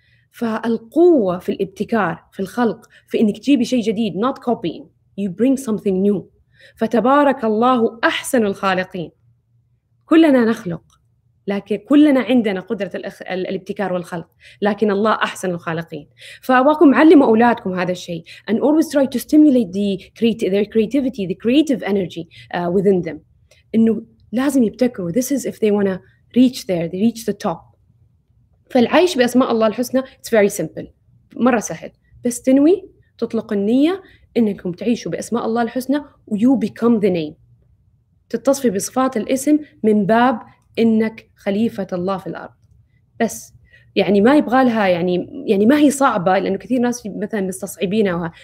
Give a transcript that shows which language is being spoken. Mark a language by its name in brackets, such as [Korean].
[Arabic] فالقوة في الابتكار، في الخلق، في إنك تجيبي شيء جديد، [English] not copying, you bring something new. [Arabic] فتبارك الله أحسن الخالقين. كلنا نخلق، لكن كلنا عندنا قدرة الابتكار والخلق، لكن الله أحسن الخالقين. فأباكم علموا أولادكم هذا الشيء. [English] And always try to stimulate the create their creativity, the creative energy within them. [Arabic] إنه لازم يبتكروا. [English] This is if they wanna reach there, they reach the top. [Arabic] فالعيش بأسماء الله الحسنى [English] it's very simple. [Arabic] مرة سهل. بس تنوي تطلق النية إنكم تعيشوا بأسماء الله الحسنى [English] you become the name. [Arabic] تتصفي بصفات الاسم من باب إنك خليفة الله في الأرض. بس يعني ما يبغى لها يعني ما هي صعبة، لأنه كثير ناس مثلا مستصعبينها وها.